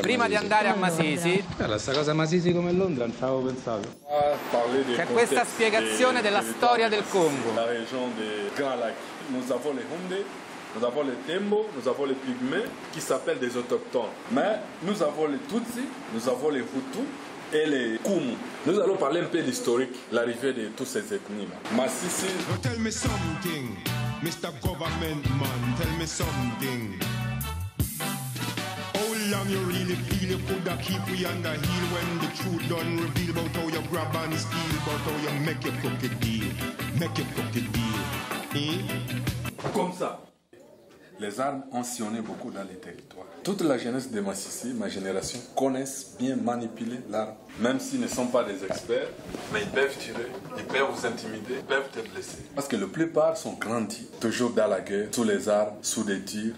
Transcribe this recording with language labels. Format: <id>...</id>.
<it>Prima di andare a Masisi. Bella, sta cosa Masisi come Londra, non ci avevo pensato. C'è questa spiegazione della storia del Congo. La regione dei Grand Lacs.</it> <fr>Nous avons les Hondés, nous avons les Tembo, nous avons les Pygmées, qui s'appellent des autochtones. Mais nous avons les Tutsi, nous avons les Hutu et les Kumu. Nous allons parler un peu d'historique, l'arrivée de toutes ces ethnies. Masisi.</fr> <en>Tell me something. Mr. Government Man, tell me something. How long you really feel you coulda keep we under heel when the truth done reveal about how you grab and steal, about how you make your fucking deal, make your fucking deal. Eh?</en> <fr>Comme ça. Les armes ont sillonné beaucoup dans les territoires. Toute la jeunesse de Massissi, ma génération, connaissent bien manipuler l'arme. Même s'ils ne sont pas des experts, mais ils peuvent tirer, ils peuvent vous intimider, ils peuvent te blesser. Parce que la plupart sont grandis, toujours dans la guerre, sous les armes, sous des tirs.</fr>